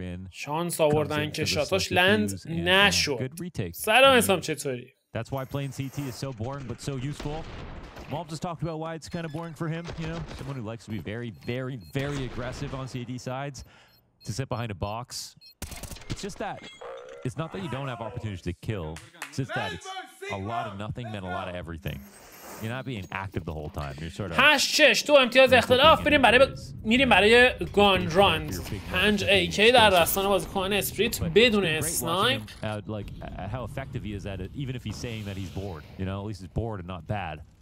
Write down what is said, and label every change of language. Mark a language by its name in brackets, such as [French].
[Persian] شانس آوردن که شاتاش لند نشد. سلام اسلام، چطوری؟ [English] That's why playing CT is so boring but so useful. Mom just talked about why it's kind of boring for him, you know, someone who likes to be very, very, very aggressive on CT sides, to sit behind a box. It's just that, it's not that you don't have opportunities to kill, it's just that it's a lot of nothing meant a lot of everything. You're not being active the whole time. You're sort of [Persian] 8 6 2 امتیاز اختلاف. بریم برای میریم برای گان راند. 5 AK در داستان بازیکن اسپریت بدون اسنایپ. [English] Like how effective he is at it even if he's saying that he's bored. You know, at least he's bored and not bad.